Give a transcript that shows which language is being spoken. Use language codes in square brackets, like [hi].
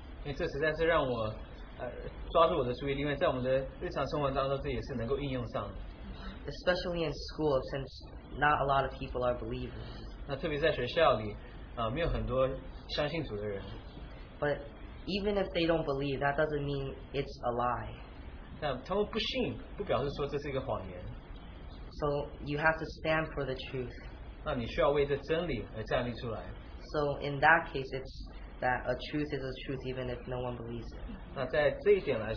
[zh] 因为这实在是让我 抓住我的注意力，因为在我们的日常生活当中，这也是能够应用上的。 [en] Especially in school, since not a lot of people are believers. [zh] 那特别在学校里，没有很多相信主的人。 [en] But even if they don't believe, that doesn't mean it's a lie. [zh] 那他们不信，不表示说这是一个谎言。 [en] So you have to stand for the truth. [zh] 那你需要为这真理而站立出来。 [en] So in that case, it's that a truth is a truth even if no one believes it.